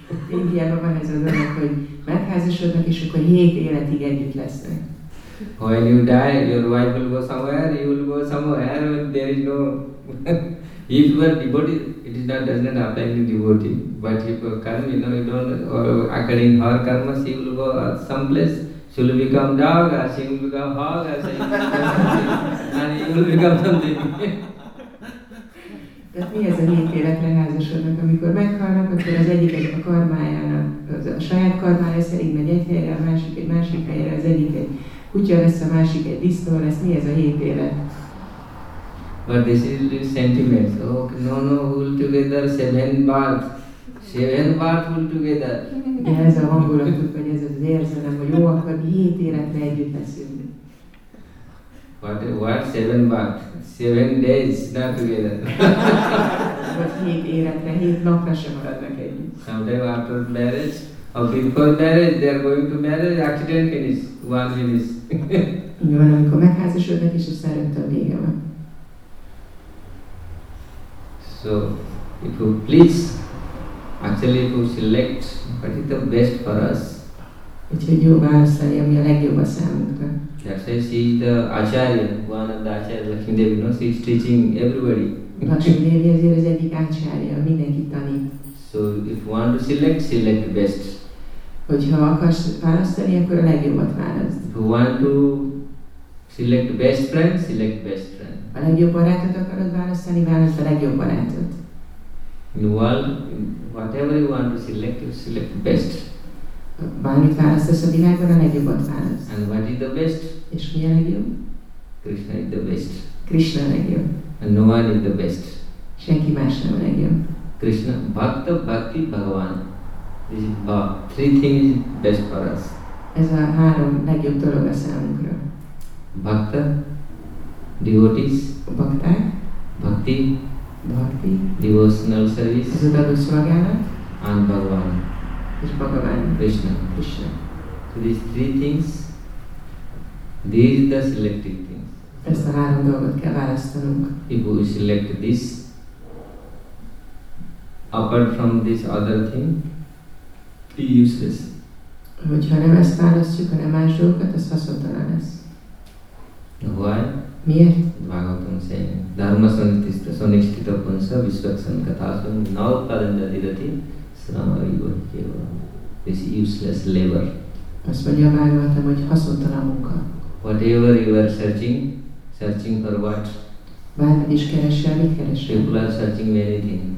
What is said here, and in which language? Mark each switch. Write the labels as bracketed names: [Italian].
[Hungarian] Indiában van ez a dolog, hogy megházasodnak, és akkor 7 életig együtt lesznek. [English] When you die, your wife will go somewhere, you will go somewhere, and there is no. If you are devotee, it is not doesn't apply to devotee. But if you come, you know, you don't, or according her karma, she will go someplace. She will become dog, or she will become hog, or she and you will become something. [Hungarian] Tehát mi ez a 7 életre házasodnak, amikor meghalnak, akkor az egyik a karmájának, az a saját karmája szerint megy egy helyre, a másik egy másik helyre, az egyik egy kutya lesz, a másik egy disztó lesz. Mi ez a 7 élet? [English] But this is the sentiments. Oh, no, no, all together, seven baths. Seven baths all together. [Hungarian] De ez a hangulatuk, vagy ez az érzelem, hogy jó, akkor 7 életre együtt leszünk. [English] What? Seven baths? 7 days, not together. But [Hungarian] 7 életre, 7 napra sem maradnak együtt. [English] Sometimes after marriage, or before marriage, they are going to marriage, accident finish, 1 minute. [Hungarian] Jó, amikor megházasodnak, és a szerettől vége van. [English] So, if you please, actually if you select what is the best for us. [Hungarian] Úgyhogy jó válaszolni, ami a legjobb a számunkra. [English] That's why she is the Acharya, one of the Acharya, Lakshmidevi, no? She is teaching everybody. [Hungarian] Lakshmidevi azért az egyik Acharya, mindenki tanít. [English] So, if you want to select, select best. [Hungarian] Hogyha akarsz választani, akkor a legjobbat választ. [English] If you want to select best friend, select best friend. [Hungarian] A legjobb barátot akarod választani, választ a legjobb barátot. [English] In world, whatever you want to select, you select best. [Hungarian] Bármit választasz a világban, a legjobbat választ. [English] And what is the best? [Hungarian] És mi a legjobb? [English] Krishna is the best. [Hungarian] Krishna a legjobb. [English] And no one is the best. [Hungarian] Senki más nem a legjobb. [English] Krishna, bhakta, bhakti, bhagavan. This is bhava. 3 things best for us. [Hungarian] Ez a 3 legjobb dolog a számunkra. [English] Bhakta, devotees, [Hungarian] bhakták, [English] bhakti, [Hungarian] bhakti, [English] devotional service, [Hungarian] ez a dadu szolgálat, [English] and bhagavan. [Hungarian] És Bhagavan. [English] Krishna. [Hungarian] Krishna. [English] So these 3 things, these are the selected things. [Hungarian] Ezt a 3 dolgot kell választanunk. [English] If we select this, apart from this other thing, be useless. [Hungarian] Hogyha nem ezt választjuk, hanem más dolgokat, ez haszontalan lesz. [English] Why? [Hungarian] Miért? [English] Bhagavatam say, [Sanskrit] dharma sanitista sanishtita punsa visvaksan kathasun nav kalanda didati srama vivar keva. [English] This useless labor. [Hungarian] Azt mondja a Bhagavatam, hogy haszontalan munka. [English] Whatever you are searching, searching for what? [Hungarian] Bármit is keresel, mit keresel? [English] People are searching many things.